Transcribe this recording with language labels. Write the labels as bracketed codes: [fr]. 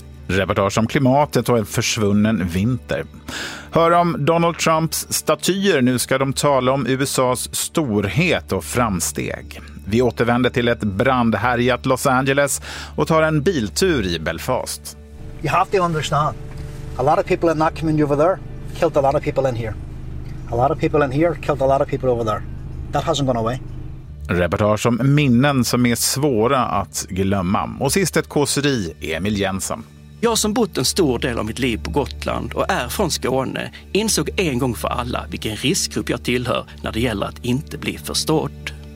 [sv] Reportage om klimatet och en försvunnen vinter. Hör om Donald Trumps statyer. Nu ska de tala om USA:s storhet och framsteg. Vi återvänder till ett brandhärjat Los Angeles och tar en biltur i Belfast. [en] You have to understand. A lot of people in that community over there killed a lot of people in here. A lot of people in here killed a lot of people over there. That hasn't gone away. [sv] Reportage om minnen som är svåra att glömma. Och sist ett kåseri, Emil Jensen. Jag som bott en stor del av mitt liv på Gotland och är från Skåne insåg en gång för alla vilken riskgrupp jag tillhör när det gäller att inte bli förstådd.